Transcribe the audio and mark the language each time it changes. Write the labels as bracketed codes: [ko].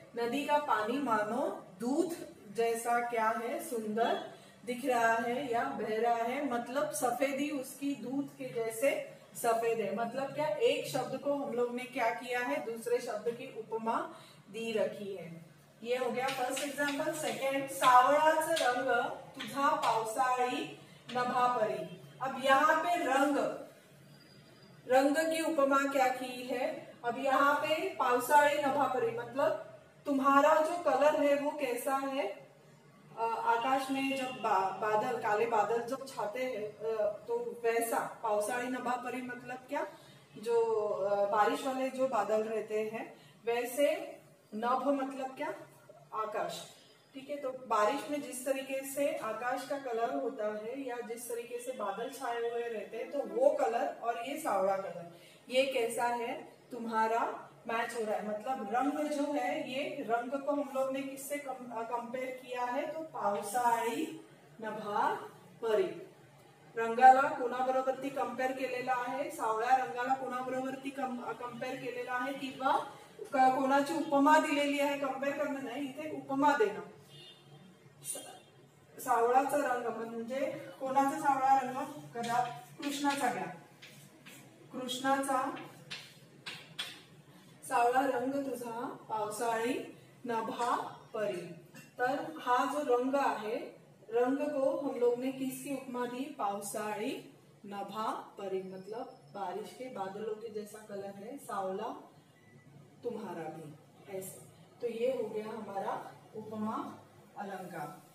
[hi] नदी का पानी मानो दूध जैसा क्या है, सुंदर दिख रहा है या बह रहा है, मतलब सफेदी उसकी दूध के जैसे सफेद है. मतलब क्या, एक शब्द को हम लोग ने क्या किया है, दूसरे शब्द की उपमा दी रखी है. ये हो गया फर्स्ट एग्जाम्पल. [mr] सेकेंड, सावळाचा रंग तुझा पावसाळी नभा परी. [hi] अब यहाँ पे रंग, रंग की उपमा क्या की है. अब यहाँ पे [mr] पावसाळी नभा परी [hi] मतलब तुम्हारा जो कलर है वो कैसा है, आकाश में जब बादल, काले बादल जब छाते हैं तो वैसा. [mr] पावसाळी नभा परी [hi] मतलब क्या, जो बारिश वाले जो बादल रहते हैं वैसे. नभ मतलब क्या, आकाश. ठीक है, तो बारिश में जिस तरीके से आकाश का कलर होता है या जिस तरीके से बादल छाए हुए रहते हैं तो वो कलर और ये सावड़ा कलर, ये कैसा है, तुम्हारा मैच हो रहा है. मतलब रंग जो है, ये रंग को हम लोग ने किससे कंपेयर किया है, तो [mr] पावसाळी नभा परी. रंगाला कोणाबरोबरती कंपेयर केलेला आहे, सावळ्या रंगाला कोणाबरोबरती कंपेयर केलेला आहे, किंवा कोणाची उपमा दिलेली आहे, कंपेयर करणं नाही, इथे उपमा देणं. सावळाचा रंग म्हणजे कोणाचा सावळा रंग, कदा कृष्णाचा घ्या. कृष्णाचा सावळा रंग तुझा पावसाळी नभा परी. तर हा जो रंग आहे, [hi] रंग को हम लोग ने किसकी उपमा दी, [mr] पावसाळी नभा परी, [hi] मतलब बारिश के बादलों के जैसा कलर है सावला तुम्हारा भी ऐसे. तो ये हो गया हमारा उपमा अलंकार.